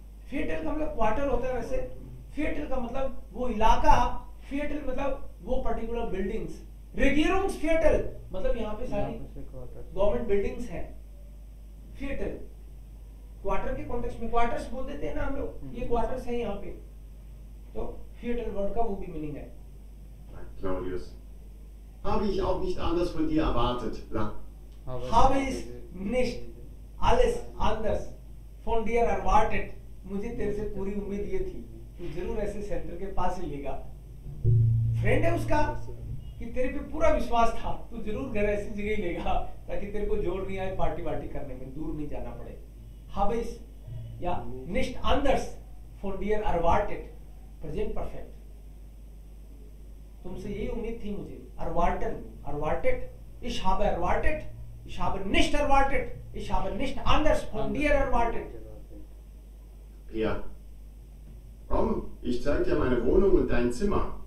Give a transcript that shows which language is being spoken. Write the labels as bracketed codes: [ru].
[hi] फियटल का मतलब क्वार्टर होता है वैसे. फियटल का मतलब वो इलाका. फियटल मतलब वो पर्टिकुलर बिल्डिंग्स. रेगियरूम्स फियटल मतलब यहाँ पे सारी गवर्नमेंट बिल्डिंग्स हैं. फियटल क्वार्टर के कॉन्टेक्स्ट में. क्वार्टर्स बोल देते हैं ना हम लोग, ये क्वार्टर्स हैं यहाँ पे. तो फियटल वर्ड का वो भी मीनिंग है. [de] Claudius, habe ich auch nicht anders von dir erwartet. Habe ich nicht alles anders von dir erwartet. [hi] मुझे तेरे से पूरी उम्मीद ये थी तू जरूर ऐसे सेंटर के पास ही लेगा. फ्रेंड है उसका कि तेरे पे पूरा विश्वास था तू जरूर घर ऐसी जगह ही लेगा ताकि तेरे को जोर नहीं आए पार्टी वार्टी करने में, दूर नहीं जाना पड़े. [de] हबिस या निश्ट अंदर्स फॉर डियर अरवार्टेड [en] Present perfect. [hi] तुमसे यही उम्मीद थी मुझे. [de] अरवार्टन अरवार्टेड इश हब अरवार्टेड इश हब निश्ट अरवार्टेड इश हब निश्ट अंदर्स फॉर डियर अरवार्टेड. Pia, komm, ich zeig dir meine Wohnung und dein Zimmer.